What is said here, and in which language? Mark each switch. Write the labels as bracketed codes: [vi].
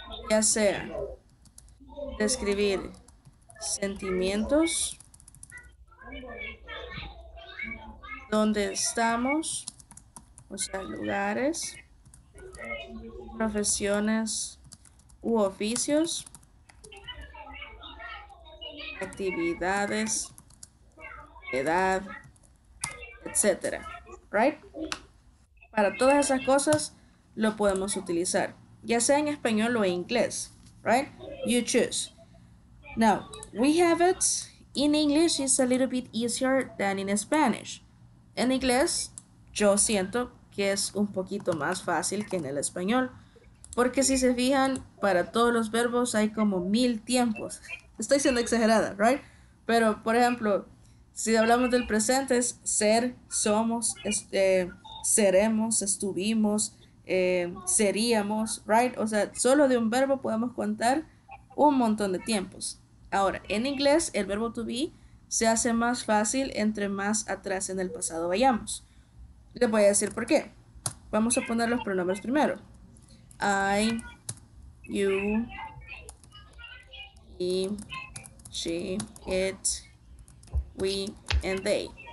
[es] Ya sea describir sentimientos, dónde estamos, o sea, lugares, profesiones u oficios, actividades, edad, etcétera, right? Para todas esas cosas lo podemos utilizar, ya sea en español o en inglés, right? [en] You choose. Now, we have it in English, it's a little bit easier than in Spanish. [es] En inglés, yo siento que es un poquito más fácil que en el español, Porque si se fijan, para todos los verbos hay como 1000 tiempos. Estoy siendo exagerada, right? Pero, por ejemplo, si hablamos del presente, es ser, somos, seremos, estuvimos, seríamos, right? O sea, solo de un verbo podemos contar un montón de tiempos. Ahora, en inglés, el verbo to be se hace más fácil entre más atrás en el pasado vayamos. Les voy a decir por qué. Vamos a poner los pronombres primero. [en] I, you, he, she, it, we, and they.